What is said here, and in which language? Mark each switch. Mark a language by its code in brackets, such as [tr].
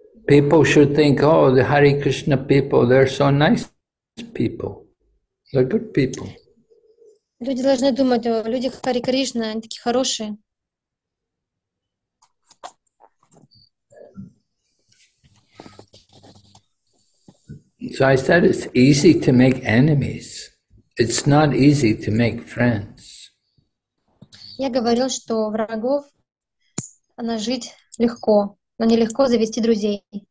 [en] People should think, oh, the Hare Krishna people, they're so nice people. They're good people. [ru] Люди должны думать, люди Хари Кришна, они такие хорошие. [en] So I said it's easy to make enemies. It's not easy to make friends. [ru] Я говорил, что врагов нажить легко, но нелегко завести друзей.